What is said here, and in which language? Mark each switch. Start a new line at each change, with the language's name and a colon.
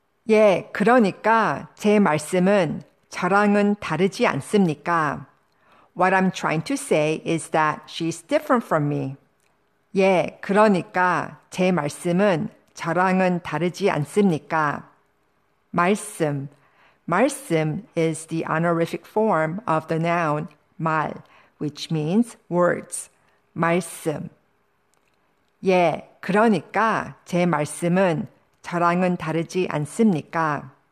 Korean: 예, 그러니까 제 말씀은 저랑은 다르지 않습니까?
English: What I'm trying to say is that she's different from me.
Korean: 예, 그러니까 제 말씀은 자랑은 다르지 않습니까? 말씀.
English: Malsim is the honorific form of the noun mal, which means words.
Korean: 말씀. 예, 그러니까 제 말씀은 자랑은 다르지 않습니까?